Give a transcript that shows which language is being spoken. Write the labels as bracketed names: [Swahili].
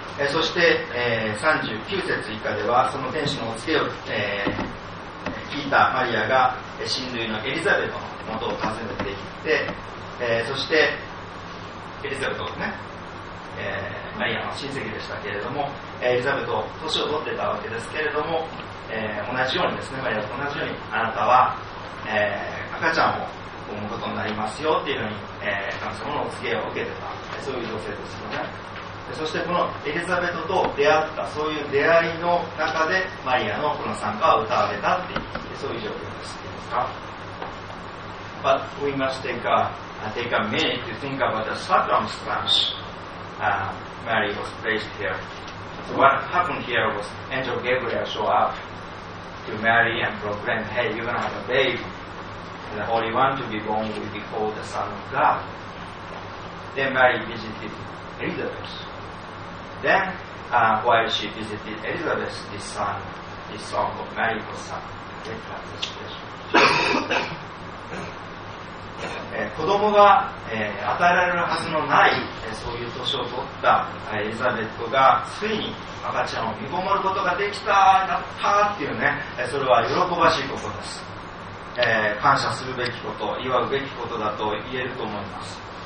[Japanese] そして、39節以下ではその天使のお告げを、聞いたマリアが親類のエリザベトの元を訪ねてきて、そしてエリザベトね、マリアの親戚でしたけれども、エリザベト年を取ってたわけですけれども、同じようにですね、マリアと同じようにあなたは、赤ちゃんを産むことになりますよっていうのに、神様のお告げを受けてた、そういう女性ですよね。そしてこのエリザベトと出会ったそういう出会いの中でマリアのこの賛歌を歌われたっていう、そういう状況です。いいですか。 [English] But we must take a minute to think about the circumstanceMary was placed here. So what happened here was Angel Gabriel showed up to Mary and proclaimed, hey, you're going to have a babe. And the Holy One to be born will be called the Son of God. Then Mary visited Elizabeth. Then, while she visited Elizabeth, this son, this song of Mary was sung. Great participation. [Japanese] 子供が与えられるはずのないそういう年を取ったエリザベットがついに赤ちゃんを見守ることができた、なったっていうね、それは喜ばしいことです。感謝するべきこと、祝うべきことだと言えると思います。